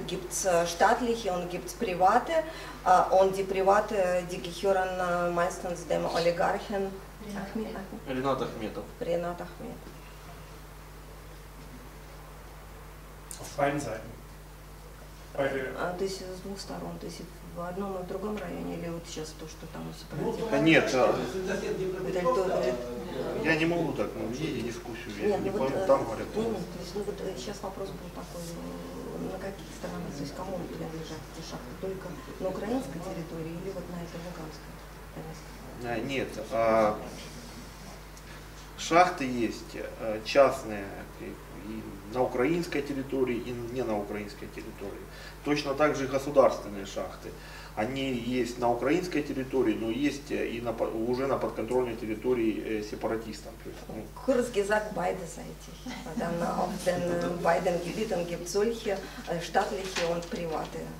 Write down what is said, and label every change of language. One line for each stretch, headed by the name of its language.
German: Gibt es staatliche und gibt es private. Und die private, die gehören meistens dem Oligarchen
Russian: Ринат Ахметов. Ринат Ахметов.
German: Auf beiden Seiten. Das ist aus
Russian: двух сторон. В одном и в другом районе, или вот сейчас то, что там сопротивляется? Да нет, я не могу так, ну, видите, дискуссию, я не пойму, вот, там говорят. Нет, то есть, ну, вот сейчас вопрос был такой, на каких сторонах, то есть кому принадлежат эти шахты, только на украинской территории или вот на этой луганской? Да, нет, шахты есть частные и на украинской территории, и не на украинской территории. Точно так же и государственные шахты. Они есть на украинской территории, но есть и на, уже на подконтрольной территории сепаратистам.
German: Курс gesagt, beide Seiten. Dann auf den beiden Gebieten gibt es solche staatliche und private.